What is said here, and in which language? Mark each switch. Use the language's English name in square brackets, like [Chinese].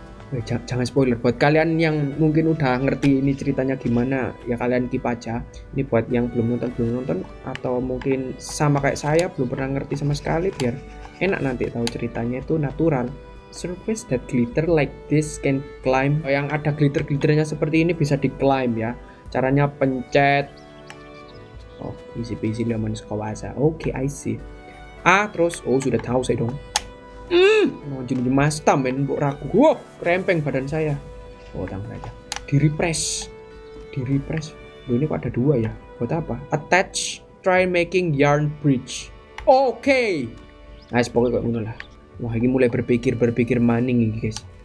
[Indonesian] Jangan spoiler buat kalian yang mungkin udah ngerti ini ceritanya gimana, ya kalian keep aja. Ini buat yang belum nonton atau mungkin sama kayak saya belum pernah ngerti sama sekali, biar enak nanti tahu ceritanya itu natural. [English] Surface that glitter like this can climb. [Indonesian] Yang ada glitter-glitternya seperti ini bisa diclimb ya. Caranya pencet. [English] Oh, easy peasy lemon squash. Okay, I see. Ah, [Indonesian] terus oh sudah tahu saya dong. Mau jadi master men, buk ragu. Wah, krempeng badan saya. Oh, tangan aja. Di-repress. Loh, ini kok ada dua ya? Buat apa? [English] Attach, try making yarn bridge. [Indonesian] Okay. Nah, pokoknya kayak gitu lah. Wah, ini mulai berpikir maning ini, guys.